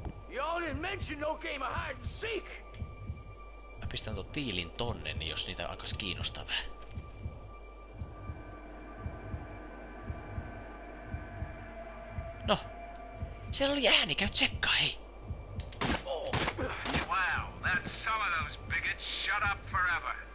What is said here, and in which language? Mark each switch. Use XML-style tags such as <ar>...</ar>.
<en>Y'all didn't mention no game of hide and seek!</en> <fi>Mä pistän tuon tiilin tonne, niin jos niitä alkais kiinnostaa vähän. No! Siellä oli ääni, käy tsekkaa, hei!</fi> <en>Oh. Wow, that's some of those bigots shut up forever!</en>